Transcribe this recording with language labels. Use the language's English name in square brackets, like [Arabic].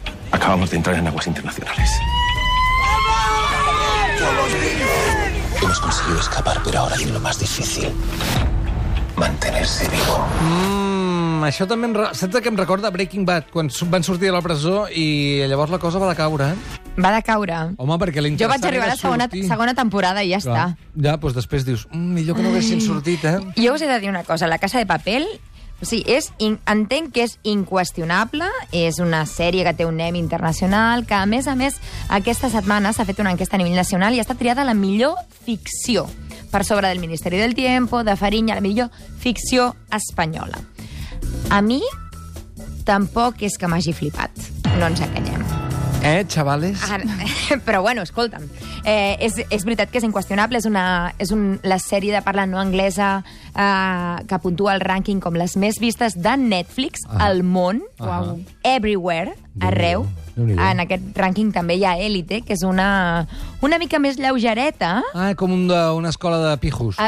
[Spanish] Acabamos de entrar en aguas internacionales. Hemos conseguido escapar, pero ahora viene lo más difícil. Mantenerse vivo. [Catalan] Això també saps que em recorda Breaking Bad, quan van sortir de la presó i llavors la cosa va de caure. Va de caure. Home, perquè jo vaig arribar a la segona temporada i ja està. Ja, doncs després dius, millor que no haguessin sortit, eh? Jo us he de dir una cosa, La Casa de Papel, o sigui, entenc que és inqüestionable, és una sèrie que té un nom internacional, que a més, aquesta setmana s'ha fet una enquesta a nivell nacional i ha estat triada la millor ficció, per sobre del Ministeri del Tiempo, de Fariña, la millor ficció espanyola. A mi, tampoc és que m'hagi flipat. No ens enganyem. [Spanish] Chavales? [Catalan] Però bueno, escolta'm. És veritat que és inqüestionable. La sèrie de parla no anglesa que puntua el rànquing com les més vistes de Netflix al món. Everywhere, arreu. En aquest rànquing també hi ha Élite, que és una mica més lleugereta. Ah, com una escola de pijos.